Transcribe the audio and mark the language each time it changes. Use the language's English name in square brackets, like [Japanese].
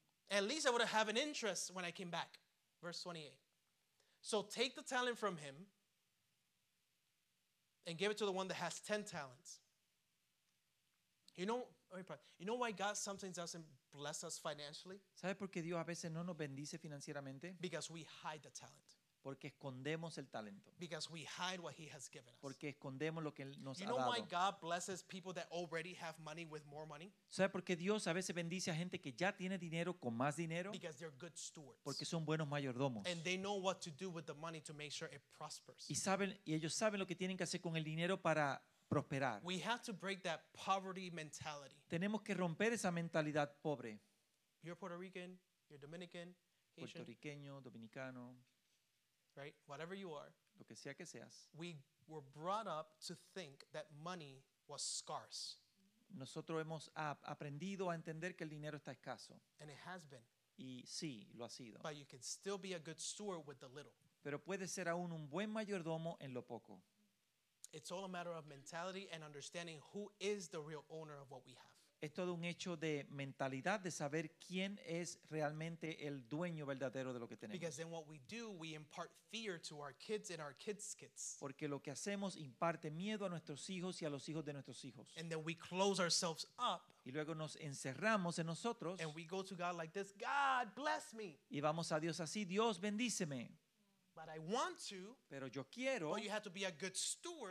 [English] At least I would have an interest when I came back. Verse 28. So take the talent from him and give it to the one that has 10 talents. You know why God sometimes doesn't bless us financially? [Spanish] ¿Sabe por qué Dios a veces no nos bendice financieramente? [English] Because we hide the talent. [Spanish] Porque escondemos el talento. [English] Because we hide what he has given us. [Spanish] Porque escondemos lo que él nos ha dado. [English] You know why God blesses people that already have money with more money? [Spanish] ¿Sabe por qué Dios a veces bendice a gente que ya tiene dinero con más dinero? [English] Because they're good stewards. [Spanish] Porque son buenos mayordomos. [English] And they know what to do with the money to make sure it prospers. [Spanish] Y ellos saben lo que tienen que hacer con el dinero para prosperar. [English] We have to break that poverty mentality. [Spanish] Tenemos que romper esa mentalidad pobre. [English] You're Puerto Rican, you're Dominican, Haitian. [Spanish] Puertorriqueño, dominicano. [English] right? Whatever you are, [Spanish] lo que sea que seas, [English] we were brought up to think that money was scarce. [Spanish] Nosotros hemos aprendido a entender que el dinero está escaso. [English] And it has been. [Spanish] Y sí, lo ha sido. [English] But you can still be a good steward with the little. [Spanish] Pero puede ser aún un buen mayordomo en lo poco. [English] It's all a matter of mentality and understanding who is the real owner of what we have. [Spanish] Es todo un hecho de mentalidad, de saber quién es realmente el dueño verdadero de lo que tenemos. [English] Because then what we do, we impart fear to our kids and our kids' kids. [Spanish] Porque lo que hacemos imparte miedo a nuestros hijos y a los hijos de nuestros hijos. [English] And then we close ourselves up. [Spanish] Y luego nos encerramos en nosotros. [English] And we go to God like this, God bless me. [Spanish] Y vamos a Dios así, Dios bendíceme. [English] But I want to. [Spanish] Pero yo quiero. [English] But you have to be a good steward.